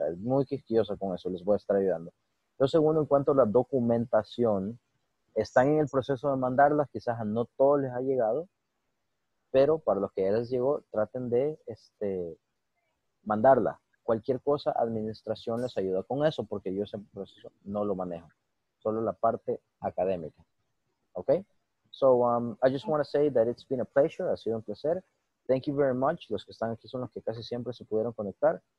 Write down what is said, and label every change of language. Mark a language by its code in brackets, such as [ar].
[es] Es muy quisquillosa con eso, les voy a estar ayudando. Lo segundo, en cuanto a la documentación, están en el proceso de mandarlas, quizás a no todos les ha llegado, pero para los que ya les llegó, traten de mandarla. Cualquier cosa, administración les ayuda con eso, porque yo ese proceso no lo manejo, solo la parte académica. [en] Ok, so I just want to say that it's been a pleasure, [es] ha sido un placer. [en] Thank you very much. [es] Los que están aquí son los que casi siempre se pudieron conectar.